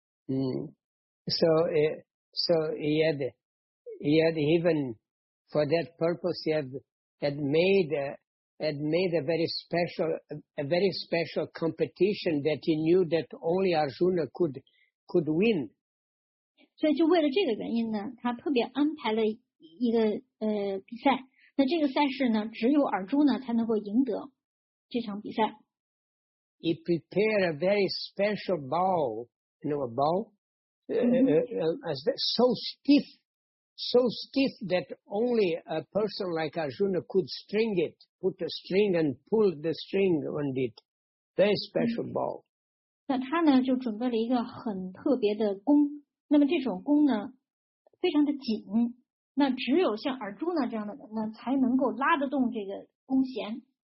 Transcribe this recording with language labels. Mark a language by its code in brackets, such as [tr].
[en] So he had even for that purpose he had made a very special competition that he knew that only Arjuna could win. [zh] 所以就为了这个原因呢，他特别安排了一个比赛。那这个赛事呢，只有尔朱呢才能够赢得这场比赛。 [en] He prepared a very special bow, you know, a bow. So stiff that only a person like Arjuna could string it, put a string and pull the string on it. Very special bow. [zh] 那他呢就准备了一个很特别的弓，那么这种弓呢非常的紧，那只有像Arjuna这样的人呢才能够拉得动这个弓弦。